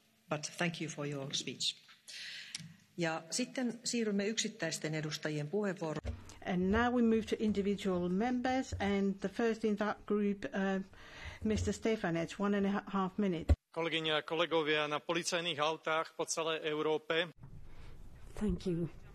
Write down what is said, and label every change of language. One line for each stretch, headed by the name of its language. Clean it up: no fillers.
English: But thank you for your speech.
Finnish: Ja sitten siirrymme yksittäisten edustajien puheenvuoroon.
English: And now we move to individual members. And the first in that group, Mr. Stefanec, 1.5 minutes.
Slovak: Kolegyne a kolegovia, na policajných autách po celej Európe.
English: Thank you.